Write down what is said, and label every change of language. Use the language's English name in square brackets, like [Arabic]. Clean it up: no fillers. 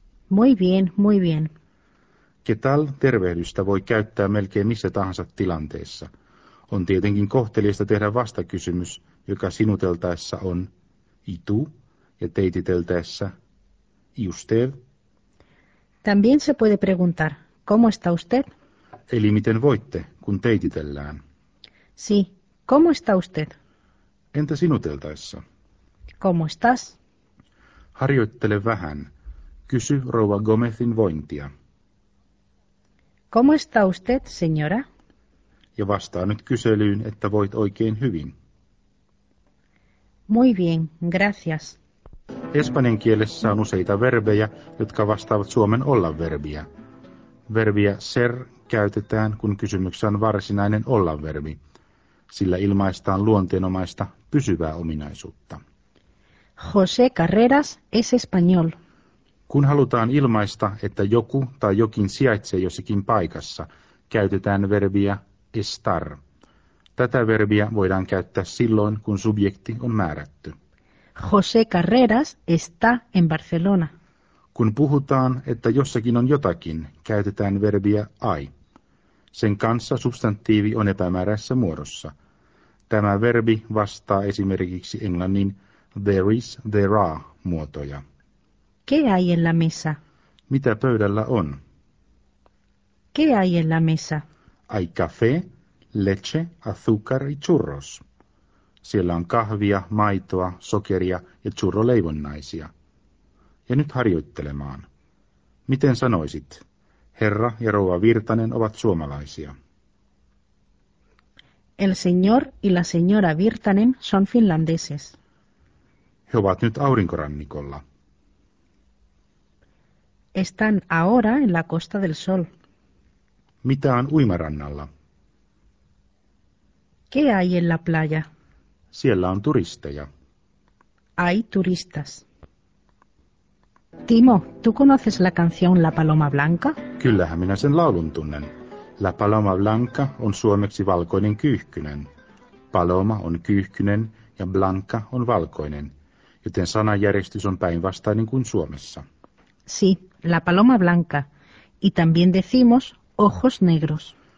[Spanish] Muy bien, muy bien. ¿Qué tal? [Finnish] Tervehdystä voi käyttää melkein missä tahansa tilanteessa. On tietenkin kohteliasta tehdä vastakysymys, joka sinuteltaessa on [Spanish] ¿y tú? [Finnish] Ja teititeltäessä [Spanish] ¿y usted? También se puede preguntar ¿cómo está usted? [Finnish] Eli miten voitte, kun teititellään? [Spanish] Sí, ¿cómo está usted? [Finnish] Entä sinuteltaessa? [Spanish] ¿Cómo estás? [Finnish] Harjoittele vähän. Kysy rouva Gomezin vointia. [Spanish] ¿Cómo está usted, señora? [Finnish] Ja vastaa nyt kyselyyn, että voit oikein hyvin. [Spanish] Muy bien, gracias. [Finnish] Espanjan kielessä on useita verbejä, jotka vastaavat suomen olla-verbiä. Verbiä ser käytetään, kun kysymyksessä on varsinainen olla-verbi. Sillä ilmaistaan luonteenomaista pysyvää ominaisuutta. [Spanish] José Carreras es español. [Finnish] Kun halutaan ilmaista, että joku tai jokin sijaitsee jossakin paikassa, käytetään verbiä estar. Tätä verbiä voidaan käyttää silloin, kun subjekti on määrätty. [Spanish] José Carreras está en Barcelona. [Finnish] Kun puhutaan, että jossakin on jotakin, käytetään verbiä hay. Sen kanssa substantiivi on epämääräisessä muodossa. Tämä verbi vastaa esimerkiksi englannin [English] there is, there are [Finnish] muotoja. [Spanish] ¿Qué hay en la mesa? [Finnish] Mitä pöydällä on? [Spanish] ¿Qué hay en la mesa? Hay café, leche, azúcar y churros. [Finnish] Siellä on kahvia, maitoa, sokeria ja churroleivonnaisia. Ja nyt harjoittelemaan. Miten sanoisit? Herra ja rouva Virtanen ovat suomalaisia. [Spanish] El señor y la señora Virtanen son finlandeses. [Finnish] He ovat nyt aurinkorannikolla. [Spanish] Están ahora en la Costa del Sol. [Finnish] Mitä on uimarannalla? [Spanish] ¿Qué hay en la playa? [Finnish] Siellä on turisteja. [Spanish] Hay turistas. Timo, ¿tú conoces la canción La Paloma Blanca? [Finnish] Kyllähän minä sen laulun tunnen. La Paloma Blanca on suomeksi valkoinen kyyhkynen. Paloma on kyyhkynen ja Blanca on valkoinen, joten sanajärjestys on päinvastainen kuin Suomessa. [Spanish] Sí, La Paloma Blanca. Y también decimos ojos negros.